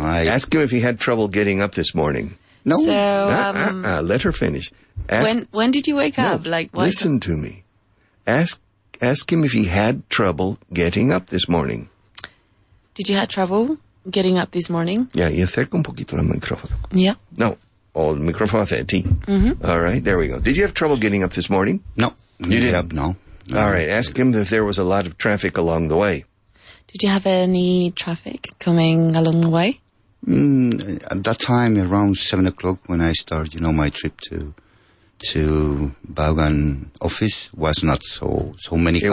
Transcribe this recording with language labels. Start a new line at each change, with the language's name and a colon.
English: ask him if he had trouble getting up this morning. No. So, let her finish. When did you wake up? Like, what? Listen to me. Ask him if he had trouble getting up this morning. Did you have trouble getting up this morning? Yeah,
Spanish: y acerca un poquito el micrófono.
English: Yeah. No.
Spanish: Oh, el micrófono hacia ti. Mm-hmm.
English: All right, there we go. Did you have trouble getting up this morning? No. You didn't? No. All right, ask him if there was a lot of traffic along the way. Did you have any traffic coming along the way? At that time, around 7 o'clock, when I started, you know, my trip to Baugan office, was not so many cars.